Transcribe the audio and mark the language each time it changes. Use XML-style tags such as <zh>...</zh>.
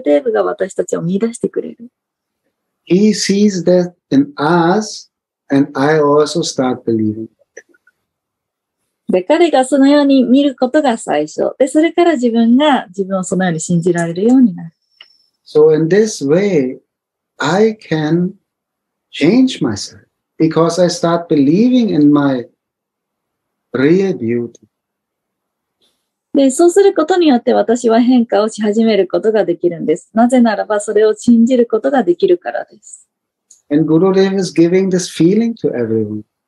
<ja>でもここでグルデーブが見つけてくださるんです。あなたは本当に特別で非常に価値のある人だよとグルデーブが私たちを見出してくれる。</ja> <en>He sees that in us, and I also start believing.</en> <ja>で、彼がそのように見ることが最初。で、それから自分が自分をそのように信じられるようになる。</ja> <en>So in this way, I can change myself because I start believing in my real beauty.</en> <ja>で、そうすることによって私は変化をし始めることができるんです。なぜならばそれを信じることができるからです。</ja> <en>And Gurudev is giving this feeling to everyone.</en>